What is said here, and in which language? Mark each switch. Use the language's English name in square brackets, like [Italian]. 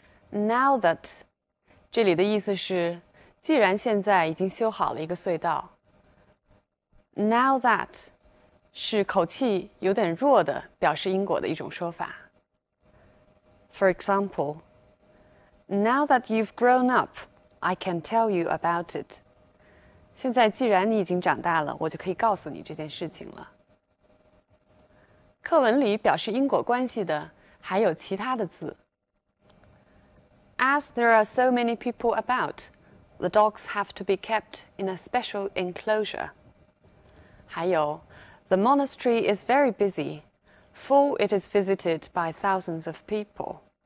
[Chinese] Now that 这里的意思是，既然现在已经修好了一个隧道。 Now that 是口气有点弱的表示因果的一种说法。 [English] For example, now that you've grown up, I can tell you about it. [Chinese] 现在既然你已经长大了，我就可以告诉你这件事情了。课文里表示因果关系的还有其他的字。 [English] As there are so many people about, the dogs have to be kept in a special enclosure. [Chinese] 还有 [English] the monastery is very busy, for it is visited by thousands of people.